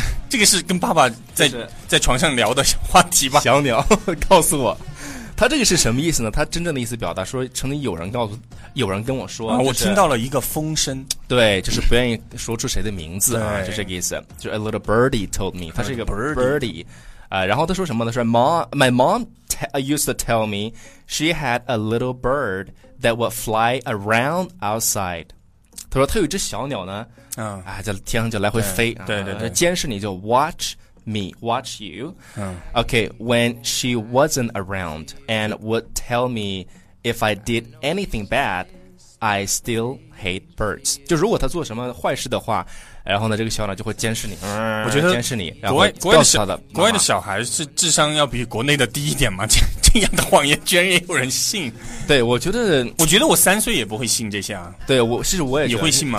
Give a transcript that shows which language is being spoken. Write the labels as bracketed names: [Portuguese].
[Chinese] 这个是跟爸爸在床上聊的话题吧？小鸟告诉我，他这个是什么意思呢？他真正的意思表达说，曾经有人跟我说、就是啊，我听到了一个风声，对，就是不愿意说出谁的名字啊，就这个意思。就 [English] a little birdie told me， [Chinese] 他是一个 birdie， 然后他说什么呢？ [English] 说 my mom used to tell me she had a little bird that would fly around outside。 [Chinese] 他说他有一只小鸟呢，在天上就来回飞，对对对，监视你，就 [English] watch me, watch you. Okay, when she wasn't around and would tell me if I did anything bad, I still hate birds. [Chinese] 就如果他做什么坏事的话，然后呢，这个小鸟就会监视你，我觉得监视你。然后告诉他的妈妈，国外的小孩是智商要比国内的低一点吗？这样的谎言居然也有人信。对，我觉得我三岁也不会信这些啊。对，我是我也你会信吗？